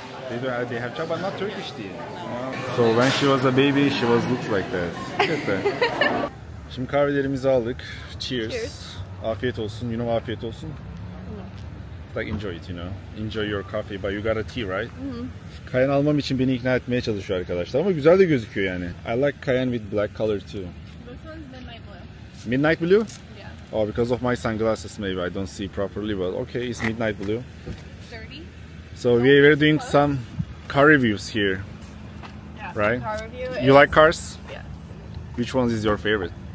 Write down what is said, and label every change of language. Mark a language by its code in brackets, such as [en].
[en] They do have, chai, but not Turkish tea. No. So when she was a baby, she was looked like that. [tr] Şimdi kahvelerimizi aldık. Cheers. [en] Cheers. [tr] Afiyet olsun, you know, afiyet olsun. Mm-hmm. [en] Like enjoy it, you know. Enjoy your coffee, but you got a tea, right? Mm-hmm. [tr] Cayenne almam için beni ikna etmeye çalışıyor arkadaşlar. Ama güzel de gözüküyor yani. [en] I like cayenne with black color too. This one's midnight blue. Midnight blue? Yeah. Oh, because of my sunglasses maybe I don't see properly, but okay, it's midnight blue. It's dirty. So we're doing some car reviews here. Yeah, right? Car review. You is... like cars? Yes. Which one is your favorite?